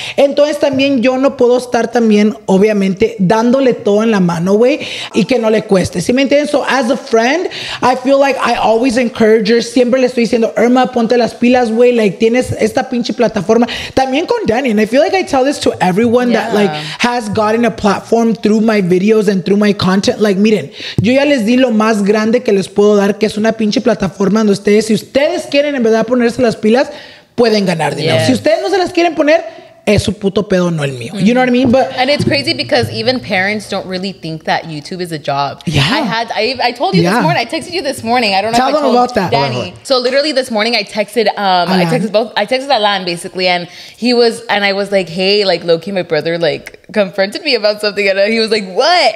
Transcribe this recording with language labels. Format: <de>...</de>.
<es>Entonces también yo no puedo estar también, obviamente, dándole todo en la mano, güey, y que no le cueste. ¿Sí me entiendes?</es> <en>So as a friend, I feel like I always encourage her.</en> <es>Siempre le estoy diciendo, Irma, ponte las pilas, güey, like, tienes esta pinche plataforma. También con Danny,</es> <en>and I feel like I tell this to everyone that, like, has gotten a platform through my videos and through my content.</en> <es>Like, miren, yo ya les di lo más grande que les puedo dar, que es una pinche plataforma donde ustedes, si ustedes quieren en verdad ponerse las pilas, pueden ganar dinero. Si ustedes no se las quieren poner, es su puto pedo, no el mío.</es> <en>You know what I mean? But, and it's crazy because even parents don't really think that YouTube is a job. I told you this morning. I texted you this morning. I don't know tell if them I told about that. Danny. So literally this morning I texted Alan basically, and he was, and I was like, hey, like, low key my brother like confronted me about something, and he was like, what?</en>